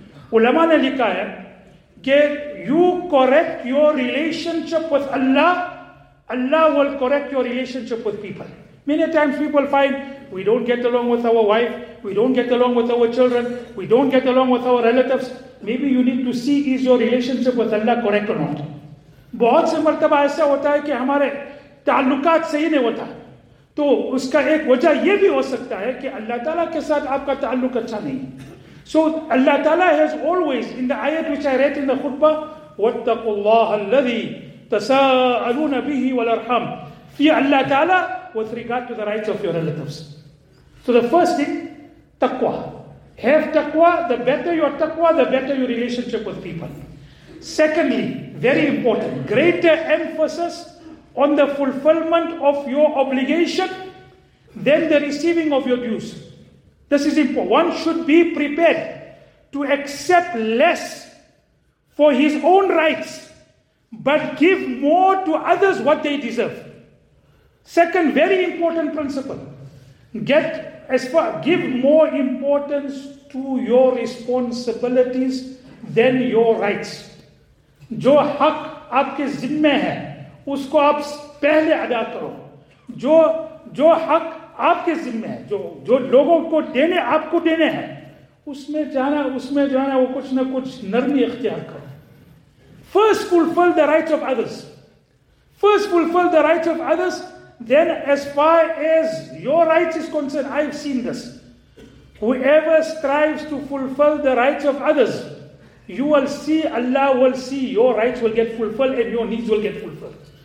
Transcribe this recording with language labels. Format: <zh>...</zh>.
<ur>Ulama ne likha hai, ke</ur> <en>you correct your relationship with Allah, Allah will correct your relationship with people. Many times people find, we don't get along with our wife, we don't get along with our children, we don't get along with our relatives. Maybe you need to see, is your relationship with Allah correct or not?</en> <ur>بہت سے مرتبہ ایسا ہوتا ہے کہ ہمارے تعلقات صحیح نہیں ہوتا تو اس کا ایک وجہ یہ بھی ہو سکتا ہے کہ اللہ تعالیٰ کے ساتھ آپ کا تعلق اچھا نہیں.</ur> <en>So Allah Ta'ala has always, in the ayat which I read in the khutbah,</en> <ar>وَاتَّقُوا اللَّهَ الَّذِي تَسَاءَلُونَ بِهِ وَالْأَرْحَامِ,</ar> <en>fear Allah Ta'ala with regard to the rights of your relatives. So the first thing, taqwa. Have taqwa, the better your taqwa, the better your relationship with people. Secondly, very important, greater emphasis on the fulfillment of your obligation than the receiving of your dues. This is important. One should be prepared to accept less for his own rights, but give more to others what they deserve. Second, very important principle, give more importance to your responsibilities than your rights.</en> <ur>جو حق آپ کے ذمے ہے اس کو آپ پہلے ادا کرو. جو حق آپ کے ذمے ہے, جو لوگوں کو دینے آپ کو دینے ہیں, اس میں جانا وہ کچھ نہ کچھ نرمی اختیار کرو.</ur> <en>First fulfill the rights of others. First fulfill the rights of others, then as far as your rights is concerned, I've seen this. Whoever strives to fulfill the rights of others, you will see, Allah will see, your rights will get fulfilled and your needs will get fulfilled.</en>